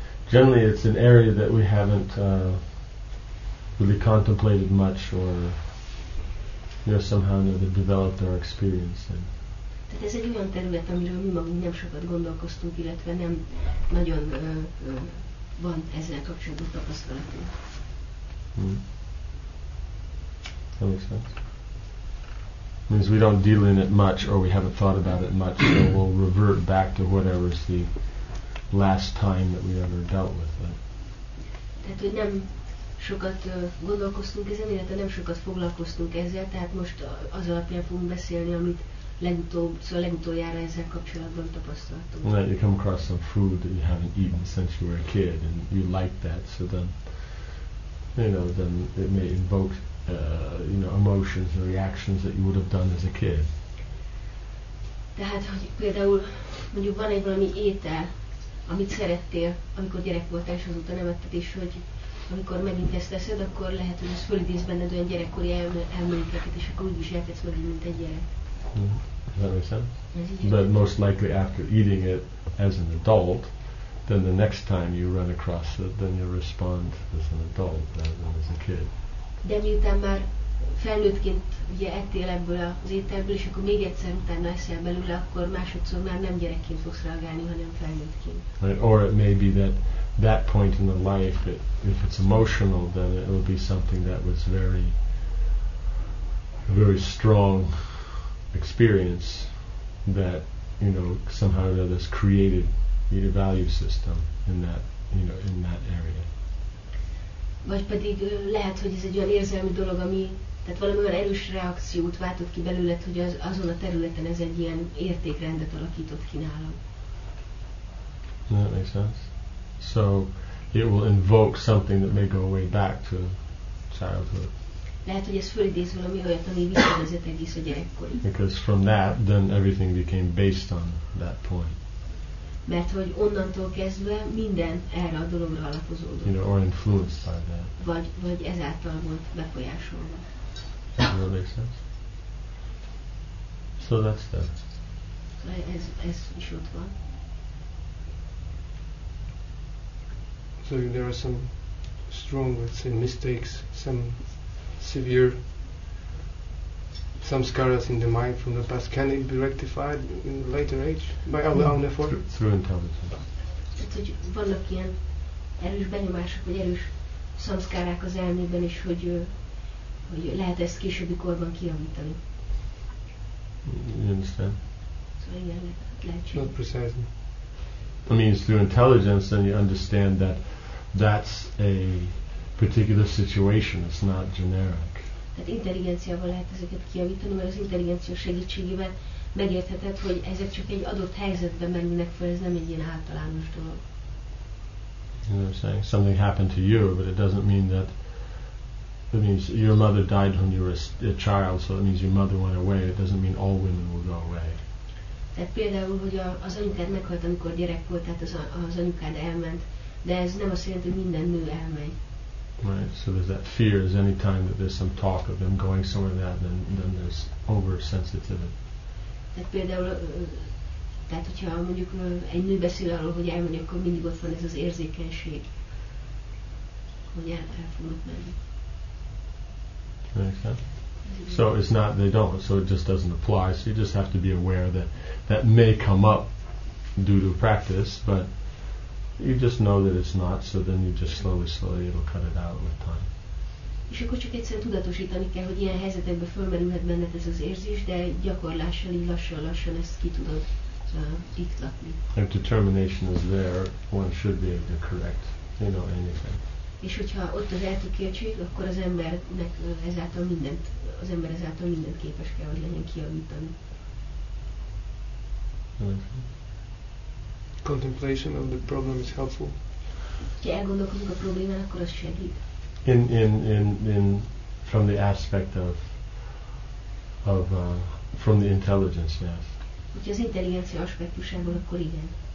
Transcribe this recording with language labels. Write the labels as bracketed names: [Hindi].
[English] Generally, it's an area that we haven't really contemplated much, or somehow or another developed our experience in. [Hungarian] Tehát ez egy olyan terület, amiről mi magunk nem sokat gondolkoztunk, illetve nem nagyon van ezzel kapcsolatban tapasztalatunk. [English] That makes sense. Means we don't deal in it much, or we haven't thought about it much, so we'll revert back to whatever's the last time that we ever dealt with it. [Hungarian] Tehát, hogy nem sokat gondolkoztunk ezen, illetve nem sokat foglalkoztunk ezzel, tehát most az alapján fogunk beszélni, amit legutoljára ezzel kapcsolatban tapasztaltunk. [English] Right, you come across some food that you haven't eaten since you were a kid, and you like that, so then, then it may invoke, emotions or reactions that you would have done as a kid. [Hungarian] Tehát, hogy például mondjuk van egy valami étel, amit szerettél, amikor gyerek voltál, és azóta nem etted, és hogy amikor megint ezt teszed, akkor lehet, hogy ez fölidéz benned olyan gyerekkori elmélyítéket, és akkor úgy viselkedsz meg, mint egy gyerek. [English] Does that make sense? But most likely after eating it as an adult, then the next time you run across it, then you respond as an adult rather than as a kid. [Hungarian] De miután már felnőttként ugye ettél ebből az ételből, és akkor még egyszer utána eszel belőle, akkor másodszor már nem gyerekként fogsz reagálni, hanem felnőttként. [English] Right. Or it may be that point in the life, if it's emotional, then it will be something that was very, a very strong experience that, you know, somehow or other has created a value system in that, you know, in that area. [Hungarian] Vagy pedig lehet, hogy ez egy olyan érzelmi dolog, ami, tehát valami olyan erős reakciót váltott ki belőled, hogy azon a területen ez egy ilyen értékrendet alakított ki nálam. [English] Does that make sense? So it will invoke something that may go way back to childhood. [Hungarian] Lehet, hogy ez fölidéz valami olyat, ami visszavezet egész a gyerekkorig. [English] Because from that, then everything became based on that point. [Hungarian] Mert hogy onnantól kezdve minden erre a dologra alapozódott. [English] You know, or influenced by that. [Hungarian] Vagy ezáltal volt befolyásolva. [English] Does that make sense? So that's that. [Hungarian] Ez is ott van. [English] So there are some strong, let's say, mistakes, some severe, some scars in the mind from the past. Can it be rectified in later age by our own effort? Through intelligence. [Hungarian] Tehát, hogy vannak ilyen erős benyomások, vagy erős szamszkárák az elmében is, hogy lehet ezt későbbi korban kijavítani. [English] You understand? [Hungarian] Szóval igen, lehetséges. [English] Not precisely. I mean, it's through intelligence, then you understand that that's a particular situation, it's not generic. [Hungarian] Tehát intelligenciával lehet ezeket kijavítani, mert az intelligencia segítségével megértheted, hogy ezek csak egy adott helyzetben merülnek fel, ez nem egy ilyen általános dolog. [English] You know what I'm saying? Something happened to you, but it doesn't mean that, it means your mother died when you were a child, so it means your mother went away. It doesn't mean all women will go away. [Hungarian] Tehát például, hogy az anyukád meghalt, amikor gyerek volt, tehát az anyukád elment, de ez nem azt jelenti, hogy minden nő elmegy. [English] Right, so there's that fear is any time that there's some talk of them going somewhere that then there's oversensitivity. [Hungarian] Tehát például, tehát hogyha mondjuk egy nő beszél arról, hogy elmenni, akkor mindig ott van ez az érzékenység, hogy el fognak menni. [English] Okay. So it's not, they don't, so it just doesn't apply, so you just have to be aware that may come up due to practice, but you just know that it's not, so then you just slowly it'll cut it out with time. [Hungarian] És akkor csak egyszerűen tudatosítani kell, hogy ilyen helyzetekben fölmerülhet benned ez az érzés, de gyakorlással így lassan ezt ki tudod iktatni. [English] If determination is there, one should be able to correct, you know, anything. [Hungarian] És hogyha ott az eltökéltség, akkor az embernek ezáltal mindent, az ember ezáltal mindent képes kell, hogy legyen kijavítani. [English] Contemplation of the problem is helpful. [Hungarian] Ha elgondolkozunk a problémán, akkor az segít. [English] In from the aspect of from the intelligence, yes. [Hungarian] Hogyha az intelligencia aspektusából, akkor igen.